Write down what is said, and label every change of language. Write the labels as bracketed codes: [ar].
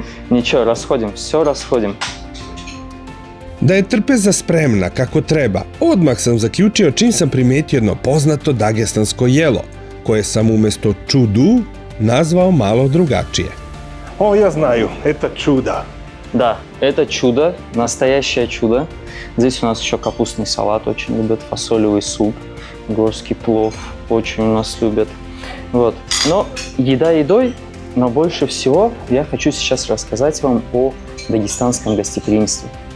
[ru] Ничего, расходим, все расходим. [sr] Да је трпеза спремна, како треба, одмах сам заключио чим сам приметио једно познато дагестанско јело, које сам уместо чуду назвао мало другачије. [ru] О, я знаю, это чудо. Да, это чудо, настоящее чудо. Здесь у нас еще капустный салат очень любят, фасолевый суп, горский плов очень у нас любят. Вот. Но еда едой, но больше всего я хочу сейчас рассказать вам о дагестанском гостеприимстве.